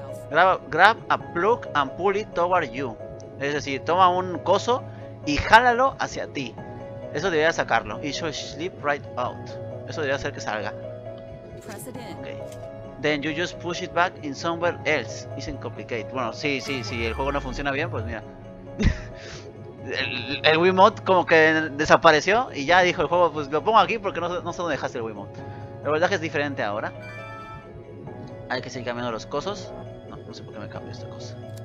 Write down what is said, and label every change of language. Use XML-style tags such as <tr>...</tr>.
<en>Grab a plug and pull it toward you.</en> <es>Es decir, toma un coso y jálalo hacia ti. Eso debería sacarlo.</es> <en>It should slip right out.</en> <es>Eso debería hacer que salga.</es> <en>Okay. Then you just push it back in somewhere else. Isn't complicated.</en> <es>Bueno, sí, sí, sí. El juego no funciona bien, pues mira. El Wiimote como que desapareció y ya dijo el juego, pues lo pongo aquí porque no sé dónde dejaste el Wiimote. El voltaje es diferente ahora. Hay que seguir cambiando los cosos. No, no sé por qué me cambio esta cosa.</es>